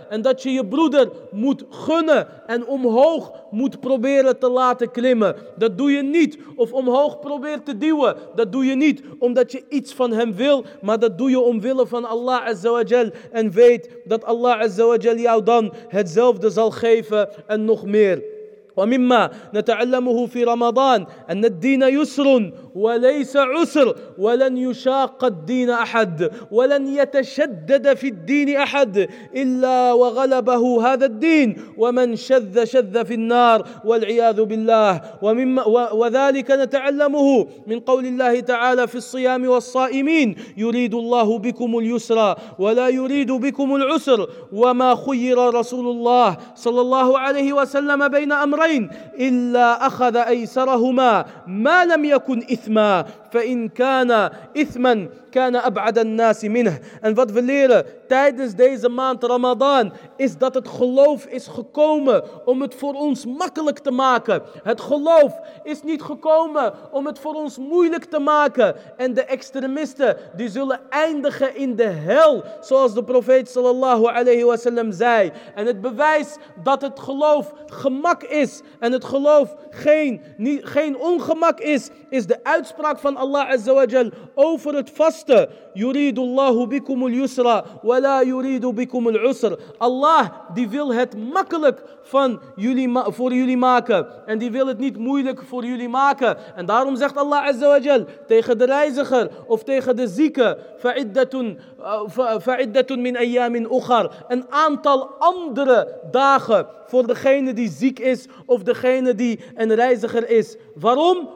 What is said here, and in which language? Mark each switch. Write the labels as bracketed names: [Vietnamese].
[Dutch] En dat je je broeder moet gunnen. En omhoog moet proberen te laten klimmen. Dat doe je niet. Of omhoog probeert te duwen. Dat doe je niet omdat je iets van hem wil. Maar dat doe je omwille van Allah Azza wa Jal. En weet dat Allah Azza wa Jal jou dan hetzelfde zal geven. En nog meer. [Arabic] ومما نتعلمه في رمضان أن الدين يسر وليس عسر ولن يشاق الدين أحد ولن يتشدد في الدين أحد إلا وغلبه هذا الدين ومن شذ شذ في النار والعياذ بالله ومما وذلك نتعلمه من قول الله تعالى في الصيام والصائمين يريد الله بكم اليسر ولا يريد بكم العسر وما خير رسول الله صلى الله عليه وسلم بين أمرين إلا أخذ أيسرهما ما لم يكن إثما فإن كان إثما كان أبعد الناس منه. [Dutch] En wat we leren tijdens deze maand Ramadan is dat het geloof is gekomen om het voor ons makkelijk te maken. Het geloof is niet gekomen om het voor ons moeilijk te maken. En de extremisten die zullen eindigen in de hel, zoals de profeet sallallahu alayhi wa sallam zei. En het bewijs dat het geloof gemak is en het geloof geen ongemak is, is de uitspraak van Allah Azza wa Jal over het vaste. [Arabic] يريد الله بكم اليسر ولا يريد بكم العسر. [Dutch] Allah die wil het makkelijk van jullie, voor jullie maken. En die wil het niet moeilijk voor jullie maken. En daarom zegt Allah Azza wa Jal tegen de reiziger of tegen de zieke. [Arabic] فَعِدَّةٌ مِنْ أَيَّامٍ أُخَرٍ. [Dutch] Een aantal andere dagen voor degene die ziek is of degene die een reiziger is. Waarom?